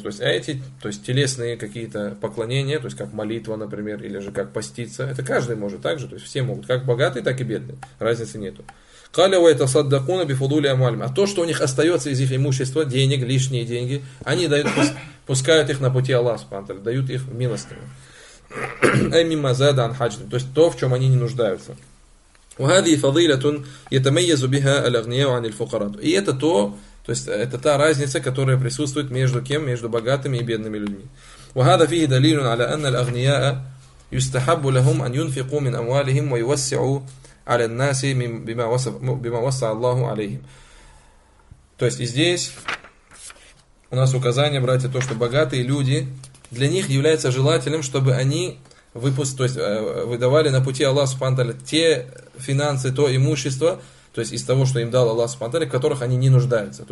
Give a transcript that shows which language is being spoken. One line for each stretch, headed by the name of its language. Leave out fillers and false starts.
Russian: То есть эти, то есть телесные какие-то поклонения, то есть как молитва, например, или же как поститься, это каждый может так же, то есть все могут, как богатые, так и бедные, разницы нету.
Arabic: Каля ва йатасаддакуна бифудули амвалихим.
Russian: А то, что у них остается из их имущества, денег, лишние деньги, они дают, пускают их на пути Аллаха субхана ва тааля, дают их в милостыню.
Arabic: Ай мимма зада ан хаджин.
Russian: То есть то, в чем они не нуждаются.
Arabic: وهذه فضيلة يتميز بها الأغنياء عن الفقراء.
Russian: И это то, то есть это та разница, которая присутствует между кем, между богатыми и бедными людьми.
Arabic: وهذا فيه دليل على أن الأغنياء يستحب لهم أن ينفقوا من أموالهم ويوسعوا على الناس بما وسع الله عليهم.
Russian: То есть здесь у нас указание, братья, то, что богатые люди для них является желательным, чтобы они то есть выдавали на пути Аллаха субхана ва тааля те финансы, то имущество, то есть из того, что им дал Аллах субхана ва тааля, которых они не нуждаются.